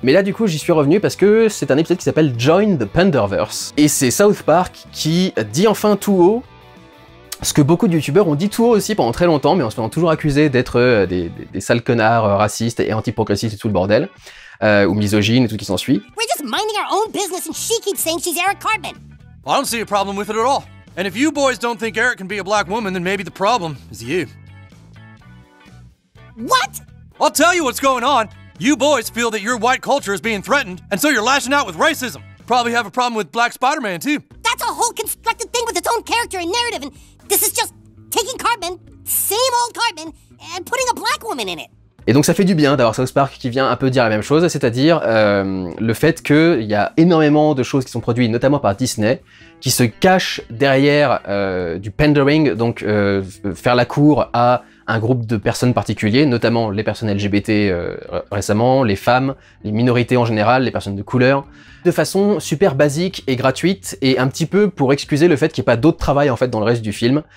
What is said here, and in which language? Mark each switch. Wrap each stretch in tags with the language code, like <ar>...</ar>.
<fr>Mais là, du coup, j'y suis revenu parce que c'est un épisode qui s'appelle Join the Penderverse. Et c'est South Park qui dit enfin tout haut ce que beaucoup de youtubeurs ont dit tout haut aussi pendant très longtemps, mais en se faisant toujours accuser d'être des sales connards racistes et anti-progressistes et tout le bordel. Ou misogyne et tout qui s'ensuit.</fr> <en>We're just minding our own business and she keeps saying she's Eric Cartman. Well, I don't see a problem with it at all. And if you boys don't think Eric can be a black woman, then maybe the problem is you. What? I'll tell you what's going on. You boys feel that your white culture is being threatened and so you're lashing out with racism. Probably have a problem with Black Spider-Man too. That's a whole constructed thing with its own character and narrative and this is just taking Cartman, same old Cartman, and putting a black woman in it.</en> <fr>Et donc ça fait du bien d'avoir South Park qui vient un peu dire la même chose, c'est-à-dire le fait qu'il y a énormément de choses qui sont produites, notamment par Disney, qui se cachent derrière du pandering, donc faire la cour à un groupe de personnes particuliers, notamment les personnes LGBT récemment, les femmes, les minorités en général, les personnes de couleur, de façon super basique et gratuite, et un petit peu pour excuser le fait qu'il n'y ait pas d'autre travail en fait dans le reste du film.</fr>